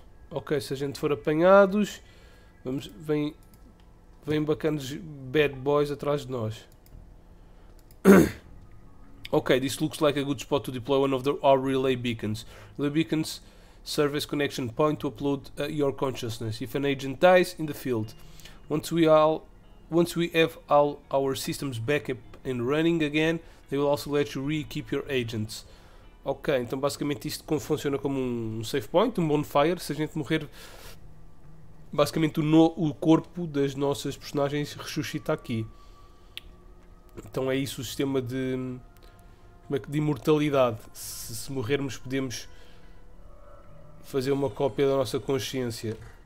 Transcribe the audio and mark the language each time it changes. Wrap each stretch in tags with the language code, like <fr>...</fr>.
<pt>Ok, se a gente for apanhados, vem bacanas bad boys atrás de nós.</pt> <en>Ok, this looks like a good spot to deploy one of our relay beacons. Relay beacons serve as connection point to upload your consciousness. If an agent dies in the field, once we have all our systems back up and running again, they will also let you re-equip your agents.</en> <pt>Ok, então basicamente isto funciona como um safe point, um bonfire. Se a gente morrer, basicamente o corpo das nossas personagens ressuscita aqui. Então é isso o sistema de imortalidade. Se morrermos, podemos fazer uma cópia da nossa consciência.</pt>